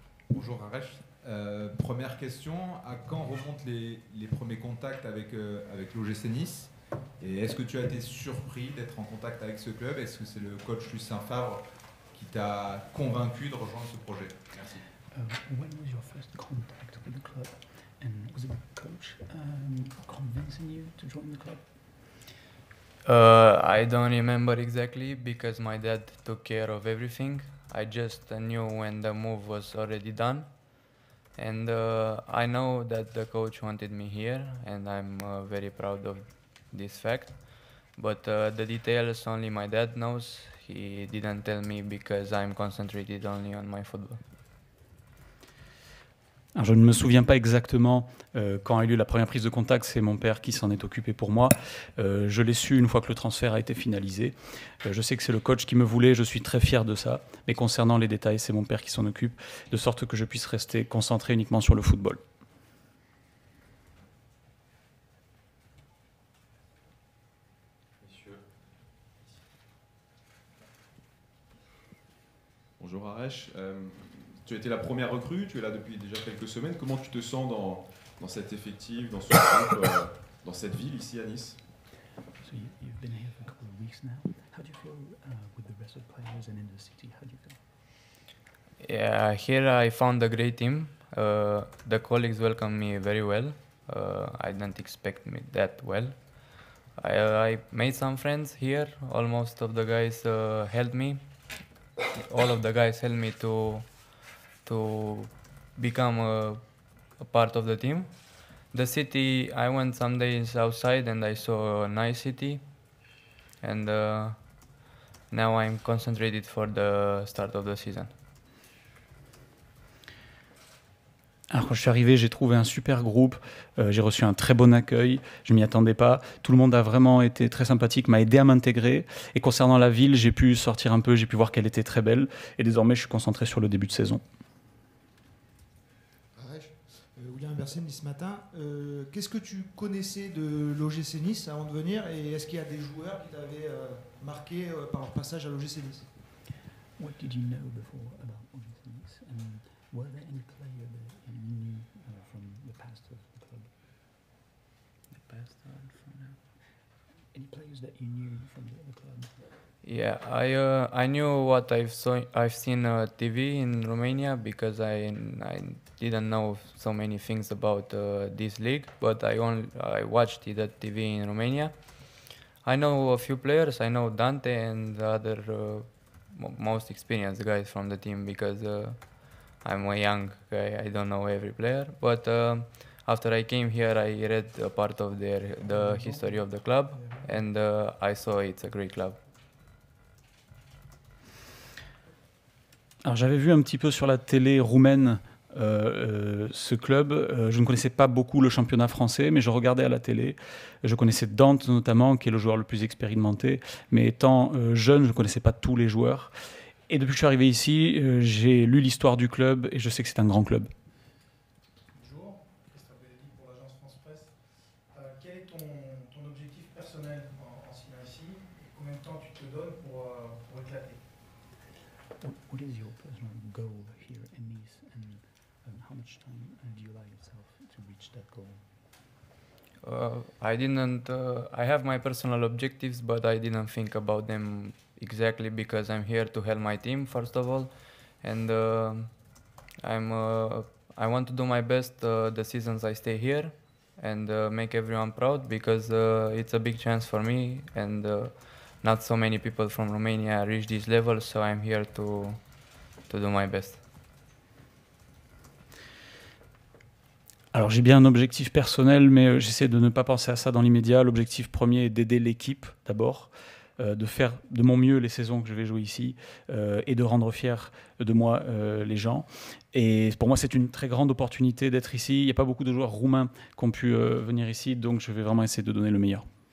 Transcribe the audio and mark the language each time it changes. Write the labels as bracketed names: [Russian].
[French] Bonjour Raresh. Première question, à quand remontent les premiers contacts avec l'OGC Nice? Et est-ce que tu as été surpris d'être en contact avec ce club? Est-ce que c'est le coach Lucien Favre qui t'a convaincu de rejoindre ce projet? Merci. [English] When was your first contact with the club? And was it the coach convincing you to join the club? I don't remember exactly because my dad took care of everything. I just knew when the move was already done. And I know that the coach wanted me here, and I'm very proud of this fact. But the details only my dad knows. He didn't tell me because I'm concentrated only on my football. [French] Je ne me souviens pas exactement quand a eu lieu la première prise de contact. C'est mon père qui s'en est occupé pour moi. Je l'ai su une fois que le transfert a été finalisé. Je sais que c'est le coach qui me voulait. Je suis très fier de ça. Mais concernant les détails, c'est mon père qui s'en occupe, de sorte que je puisse rester concentré uniquement sur le football. Bonjour Raresh. Tu as été la première recrue, tu es là depuis déjà quelques semaines. Comment tu te sens dans cet effectif, dans ce groupe, dans cette ville ici à Nice? [English] So you've been here for a couple of weeks now. How do you feel with the rest of the players and in the city? How do you feel? Yeah, here I found a great team. The colleagues welcomed me very well. I didn't expect me that well. I made some friends here. Almost of the guys helped me. All of the guys helped me to become a part of the team. The city, I went some days outside and I saw a nice city. And now I'm concentrated for the start of the season. [French] Alors quand je suis arrivé, j'ai trouvé un super groupe, j'ai reçu un très bon accueil, je ne m'y attendais pas. Tout le monde a vraiment été très sympathique, m'a aidé à m'intégrer. Et concernant la ville, j'ai pu sortir un peu, j'ai pu voir qu'elle était très belle. Et désormais, je suis concentré sur le début de saison. William Bersemi ce matin. Qu'est-ce que tu connaissais de l'OGC Nice avant de venir et est-ce qu'il y a des joueurs qui t'avaient marqué par leur passage à l'OGC Nice? [English] What did you know before about OGC Nice? And were there any players that you knew from the past of the club? The past of now. Any players that you knew from the club? Yeah, I knew what I've seen on TV in Romania because I didn't know so many things about this league, but I watched it at TV in Romania. I know a few players. I know Dante and the other most experienced guys from the team because I'm a young guy. I don't know every player, but after I came here, I read a part of the history of the club, and I saw it's a great club. [French] Alors j'avais vu un petit peu sur la télé roumaine ce club. Je ne connaissais pas beaucoup le championnat français, mais je regardais à la télé. Je connaissais Dante notamment, qui est le joueur le plus expérimenté. Mais étant jeune, je ne connaissais pas tous les joueurs. Et depuis que je suis arrivé ici, j'ai lu l'histoire du club et je sais que c'est un grand club. Bonjour, Christophe Bellelli pour l'agence France Presse. Quel est ton objectif personnel en signant ici et combien de temps tu te donnes pour éclater? [English] What is your personal goal here in Nice, and how much time do you allow yourself to reach that goal? I have my personal objectives, but I didn't think about them exactly because I'm here to help my team, first of all. And I want to do my best the seasons I stay here and make everyone proud because it's a big chance for me. And not so many people from Romania reach this level, so I'm here to do my best. [French] Alors j'ai bien un objectif personnel, mais j'essaie de ne pas penser à ça dans l'immédiat. L'objectif premier est d'aider l'équipe d'abord, de faire de mon mieux les saisons que je vais jouer ici et de rendre fiers de moi les gens. Et pour moi, c'est une très grande opportunité d'être ici. Il n'y a pas beaucoup de joueurs roumains qui ont pu venir ici, donc je vais vraiment essayer de donner le meilleur.